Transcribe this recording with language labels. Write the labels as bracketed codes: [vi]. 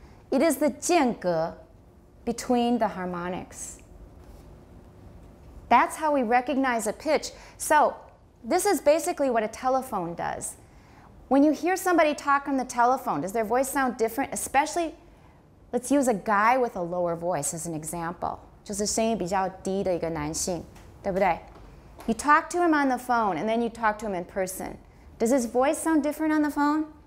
[en] It is the 间隔 between the harmonics. That's how we recognize a pitch. So this is basically what a telephone does. When you hear somebody talk on the telephone, does their voice sound different? Especially, let's use a guy with a lower voice as an example. [zh] 就是声音比较低的一个男性，对不对？ [en] You talk to him on the phone, and then you talk to him in person. Does his voice sound different on the phone?